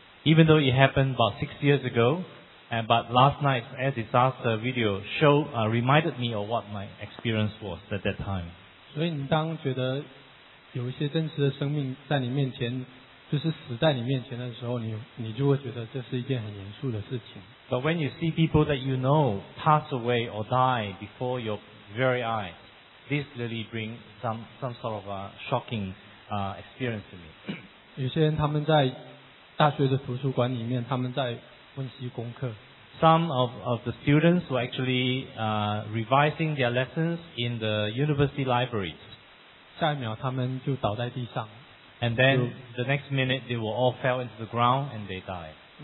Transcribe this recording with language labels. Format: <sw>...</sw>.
<en>Even though it happened about 6 years ago, but last night's air disaster video reminded me of what my experience was at that time.</en> <zh>所以你当觉得有一些真实的生命在你面前，就是死在你面前的时候，你就会觉得这是一件很严肃的事情。</zh> <en>But when you see people that you know pass away or die before your very eyes, this really brings some sort of a shocking experience to me.</en> <zh>有些人他们在大学的图书馆里面，他们在温习功课。</zh> <en>Some of the students were actually revising their lessons in the university libraries.</en> <zh>下一秒他们就倒在地上。</zh> <en>And then the next minute they were all fell into the ground and they died.</en>